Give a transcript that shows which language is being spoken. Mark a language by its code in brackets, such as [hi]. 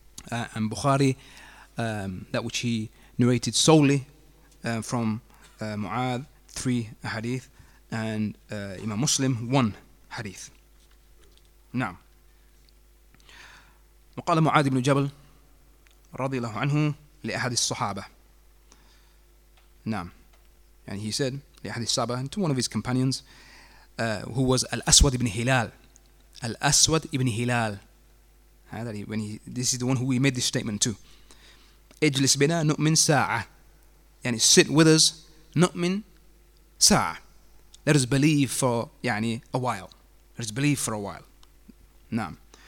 [en] And Bukhari, that which he narrated solely from Mu'adh, three hadith, and Imam Muslim, one hadith. [ar] نعم. وقال معاذ بن جبل رضي الله عنه لأحد الصحابة. نعم. [en] And he said [ar] لأحد الصحابة, [en] to one of his companions, who was Al-Aswad ibn Hilal. Al-Aswad ibn Hilal. That he, when he, this is the one who we made this statement to. [ar] اجلس بنا نؤمن ساعة, [en] يعني sit with us [ar] نؤمن ساعة, [en] let us believe for يعني a while, let us believe for a while. نعم.